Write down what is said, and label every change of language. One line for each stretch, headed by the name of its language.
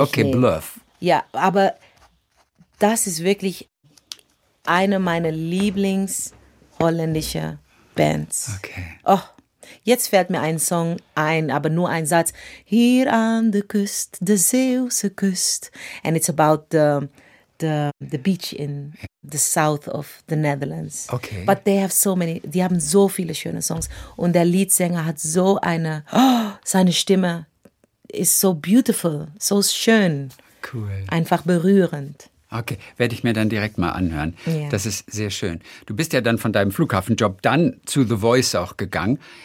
German: Okay, nee. Bluff. Ja, aber das ist wirklich eine meiner Lieblings-holländischen Bands. Okay. Oh, jetzt fällt mir ein Song ein, aber nur ein Satz.
Dutch: Hier an der Küst, der Zeeuwse Küst.
English: And it's about the beach in the south of the Netherlands.
German: Okay.
English: But they have so many,
German: die haben so viele schöne Songs. Und der Leadsänger hat so eine, seine Stimme ist so beautiful, so schön. Cool. Einfach berührend. Okay, werde ich mir dann direkt mal anhören. Yeah. Das ist sehr schön. Du bist ja dann von deinem Flughafenjob dann zu The Voice auch gegangen.